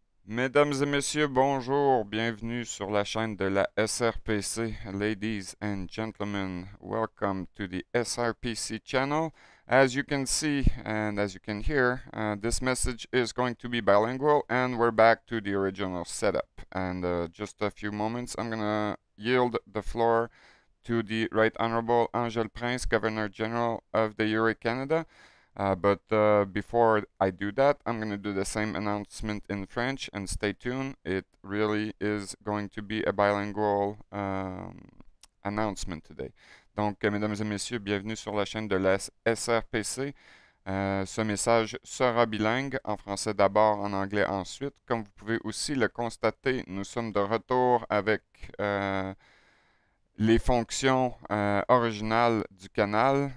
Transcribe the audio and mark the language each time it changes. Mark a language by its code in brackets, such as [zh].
[fr] Mesdames et messieurs, bonjour, bienvenue sur la chaîne de la SRPC. [en] Ladies and gentlemen, welcome to the SRPC channel. As you can see and as you can hear, this message is going to be bilingual and we're back to the original setup. And just a few moments, I'm going to yield the floor to the Right Honorable Angel Prince, Governor General of the URA Canada. But before I do that, I'm going to do the same announcement in French and stay tuned. It really is going to be a bilingual announcement today. [fr] Donc, mesdames et messieurs, bienvenue sur la chaîne de la SRPC. Ce message sera bilingue, en français d'abord, en anglais ensuite. Comme vous pouvez aussi le constater, nous sommes de retour avec les fonctions originales du canal.